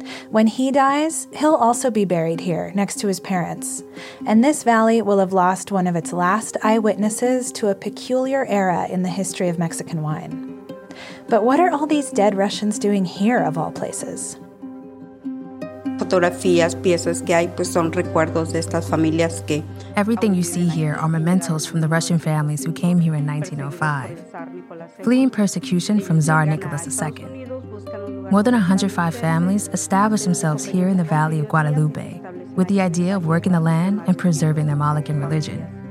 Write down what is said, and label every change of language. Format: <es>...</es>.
<en>When he dies, he'll also be buried here, next to his parents. And this valley will have lost one of its last eyewitnesses to a peculiar era in the history of Mexican wine. But what are all these dead Russians doing here, of all places?</en> <es>Fotografías, piezas que hay, pues son recuerdos de estas familias que...</es> <en>Everything you see here are mementos from the Russian families who came here in 1905, fleeing persecution from Tsar Nicholas II. More than 105 families established themselves here in the Valley of Guadalupe with the idea of working the land and preserving their Malican religion.</en>